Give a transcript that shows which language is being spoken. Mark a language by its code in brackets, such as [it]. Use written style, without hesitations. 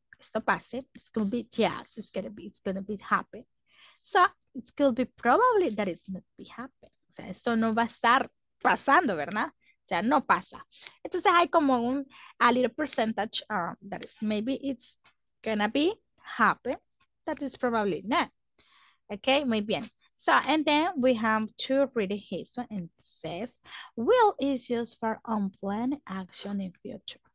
[es] Esto pase, [en] it's going to be, yes, it's going to be happen. So, it's going to be probably that it's not be happen. [es] O sea, esto no va a estar pasando, ¿verdad? O sea, no pasa. Entonces, hay como un, [en] a little percentage that is maybe it's going to be happen. That is probably not. Okay, [es] muy bien. [en] So, and then we have to read his one and says, will is used for unplanned action in future.